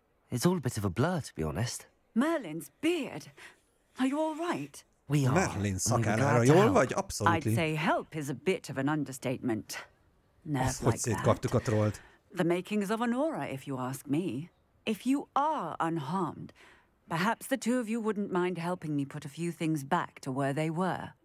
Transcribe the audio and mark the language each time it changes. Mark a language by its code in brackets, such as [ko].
[en] It's all a bit of a blur, to be honest. Merlin's beard. Are you all right? We are. [hu] Merlin szakállára jól vagy? [en] Absolutely. I'd say help is a bit of an understatement. Nerf like that. [hu] Hogy szétkaptuk a trollt. [en] The makings of an aura, if you ask me. If you are unharmed, perhaps the two of you wouldn't mind helping me put a few things back to where they were.